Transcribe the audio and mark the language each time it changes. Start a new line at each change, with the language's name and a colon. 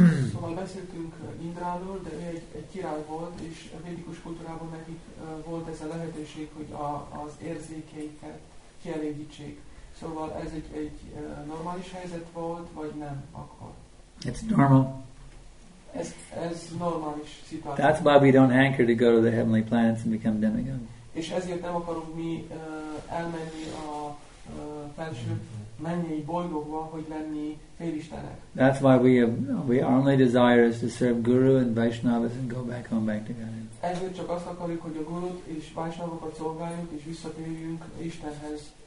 Hungarian: Szóval beszéltünk Indráról, de ő egy király volt, és a védikus kultúrában nekik volt ez a lehetőség, hogy az érzékeiket kielégítsék. Szóval ez egy normális helyzet volt, vagy nem akkor?
English: It's normal.
Hungarian: Ez normális szituáció.
English: That's why we don't hanker to go to the heavenly planets and become demigod.
Hungarian: És ezért nem akarunk mi elmenni a felső mennyei bolygókba, hogy lenni félistenek.
English: That's why we our only desire is to serve Guru and Vaishnavas and go back home back to Godhead.
Hungarian: Ezért csak azt akarjuk, hogy a Gurut és Vaishnavokat szolgáljunk és visszatérjünk Istenhez.